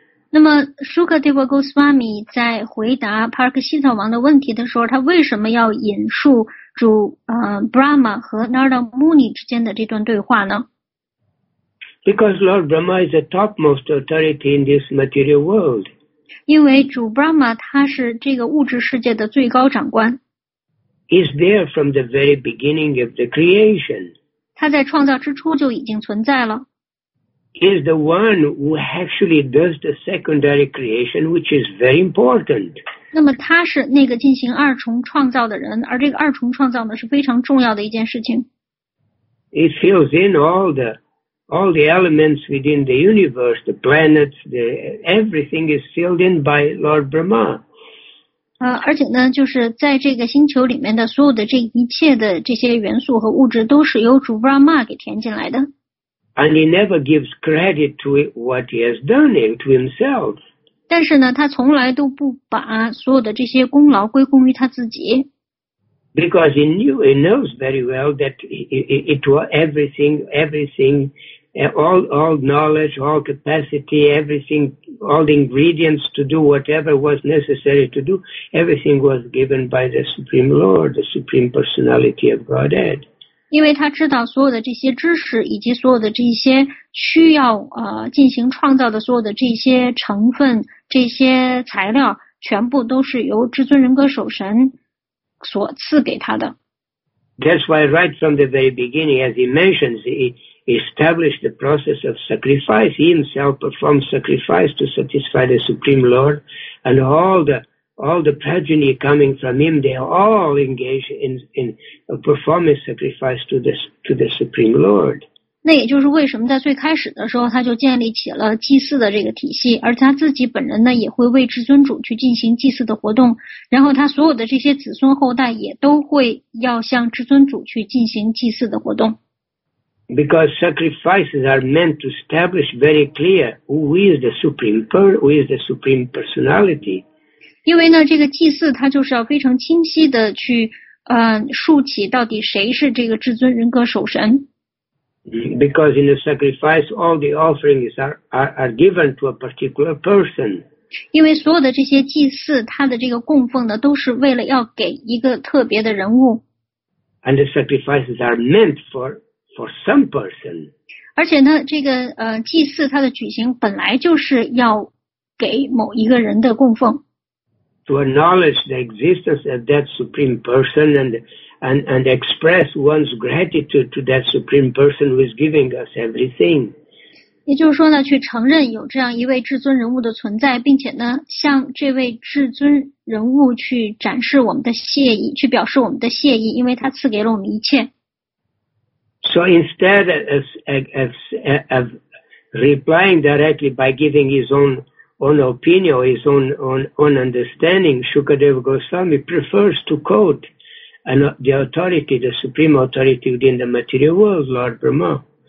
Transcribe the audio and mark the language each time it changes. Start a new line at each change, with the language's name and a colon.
Chinese: 那么 Shukadeva Goswami 在回答 Parikshita 王的问题的时候，他为什么要引述主Brahma 和 Narada Muni 之间的这段对话呢？
English: Because Lord Brahma is the topmost authority in this material world.
Chinese: 因为主 Brahma 他是这个物质世界的最高长官。
English: He's there from the very beginning of the creation.
Chinese: 他在创造之初就已经存在了。
English: He's the one who actually does the secondary creation, which is very important.
Chinese: 那么他是那个进行二重创造的人，而这个二重创造呢是非常重要的一件事情。
English: He fills in all the elements within the universe, the planets, everything is filled in by Lord Brahma.
Chinese: 而且呢就是在这个星球里面的所有的这一切的这些元素和物质都是由主 Brahma 给填进来的。
English: And he never gives credit to what he has done to himself.
Chinese: 但是呢他从来都不把所有的这些功劳归功于他自己。
English: Because he knows very well that it was everything, all knowledge, all capacity, everything, all the ingredients to do whatever was necessary to do, everything was given by the Supreme Lord, the Supreme Personality of Godhead.
Chinese: 因为他知道所有的这些知识以及所有的这些需要进行创造的所有的这些成分、这些材料，全部都是由至尊人格守神所赐给他的。
English: That's why right from the very beginning, as he mentions, he established the process of sacrifice. He himself performed sacrifice to satisfy the Supreme Lord, and all the progeny coming from him, they all engage in performing sacrifice to the Supreme Lord.
Chinese: 那也就是为什么在最开始的时候他就建立起了祭祀的这个体系，而他自己本人呢也会为至尊主去进行祭祀的活动，然后他所有的这些子孙后代也都会要向至尊主去进行祭祀的活动。
English: Because sacrifices are meant to establish very clear who is the supreme personality.
Chinese: 因为呢这个祭祀它就是要非常清晰的去竖起到底谁是这个至尊人格守神。
English: Because in the sacrifice, all the offerings are given to a particular person.
Chinese: 因为所有的这些祭祀，它的这个供奉呢，都是为了要给一个特别的人物。
English: And the sacrifices are meant for some person.
Chinese: 而且呢，这个祭祀它的举行本来就是要给某一个人的供奉。
English: To acknowledge the existence of that supreme person and express one's gratitude to that supreme person who is giving us everything.
Chinese: 也就是说呢，去承认有这样一位至尊人物的存在，并且呢，向这位至尊人物去展示我们的谢意，去表示我们的谢意，因为他赐给了我们一切。
English: So instead of replying directly by giving his own opinion, his own understanding, Shukadeva Goswami prefers to quote the authority, the supreme authority within the material world, Lord Brahma.